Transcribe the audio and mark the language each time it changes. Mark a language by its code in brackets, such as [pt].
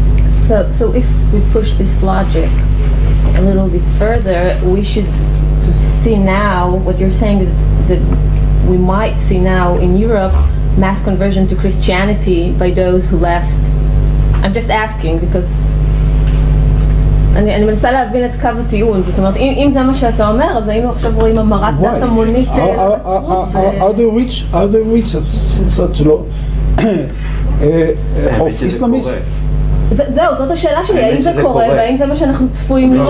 [en] So if we push this logic a little bit further, we should see now what you're saying, that we might see now in Europe mass conversion to Christianity by those who left. I'm just asking because [he] אני מנסה להבין את קו הטיעון. זאת אומרת, אם זה מה שאתה אומר, אז היינו עכשיו רואים המרת דת המונית. [en] How do you reach such low of Islamism? [he] זהו, זאת השאלה שלי, האם זה קורה, והאם זה מה שאנחנו צפויים לראות?